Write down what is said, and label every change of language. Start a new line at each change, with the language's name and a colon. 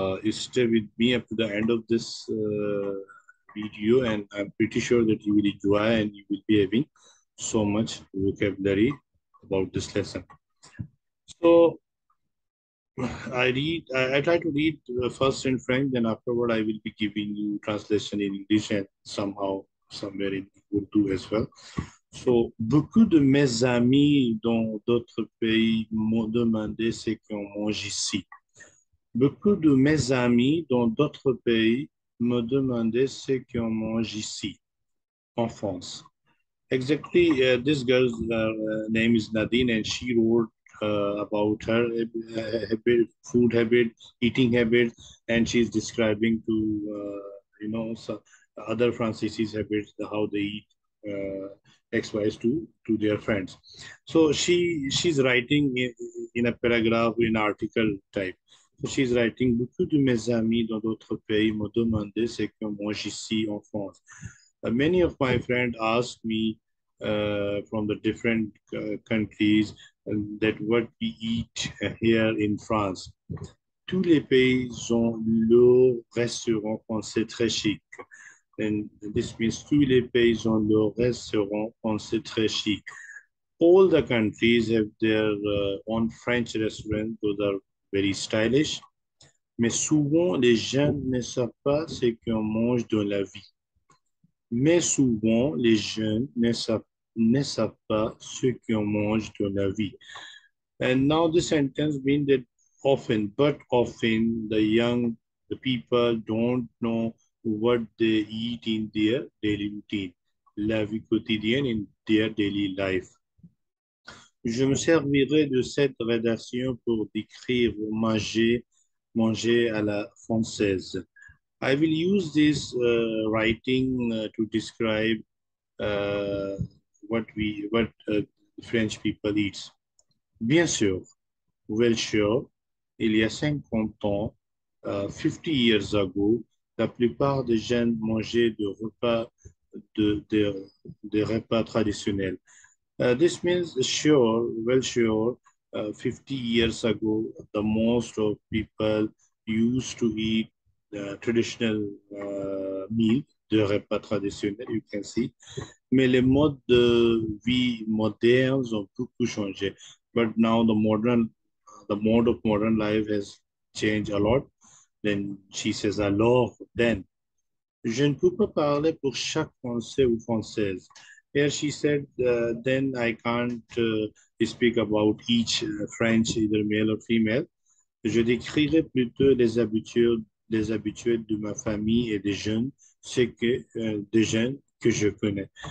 English: Stay with me up to the end of this video, and I'm pretty sure that you will enjoy and you will be having so much vocabulary about this lesson. So I try to read first in French, then afterward I will be giving you translation in English and somehow somewhere in Urdu as well.
French: So beaucoup de mes amis dans d'autres pays m'ont demandé ce qu'on mange ici. Beaucoup de mes amis dans d'autres pays me demandaient ce qu'on mange ici, en France.
English: Exactly, this girl's name is Nadine, and she wrote about her habit, food habits, eating habits, and she's describing to some other Francis's habits, how they eat XYs to their friends. So she's writing in a paragraph, in article type. So she's writing,
French: beaucoup de mes amis dans d'autres pays me demandaient ce que mange ici en France.
English: Many of my friends ask me from the different countries that what we eat here in France.
French: Tous les pays ont leur restaurant français très chic.
English: And this means
French: tous les pays ont leur restaurant français très chic.
English: All the countries have their own French restaurant, those are very stylish,
French: mais souvent les gens ne savent pas ce qu'on mange dans la vie. Mais souvent les jeunes ne savent pas ce qu'on mange dans la vie.
English: And now this sentence means that often, but often the people don't know what they eat in their daily routine,
French: la vie quotidienne
English: in their daily life.
French: Je me servirai de cette rédaction pour décrire manger à la française.
English: I will use this writing to describe what French people eat.
French: Bien sûr,
English: well sure,
French: il y a 50 ans,
English: 50 years ago,
French: la plupart des jeunes mangeaient des repas traditionnels.
English: This means sure, well sure, 50 years ago, the most of people used to eat traditional meal,
French: de repas traditionnel,
English: you can see.
French: Mais les modes de vie modernes ont beaucoup changé.
English: But now the mode of modern life has changed a lot. Then she says,
French: alors,
English: then.
French: Je ne peux pas parler pour chaque Français ou Française.
English: Here she said, then I can't speak about each French, either male or female.
French: Je décrirai plutôt les habitudes de ma famille et des jeunes, des jeunes que je connais.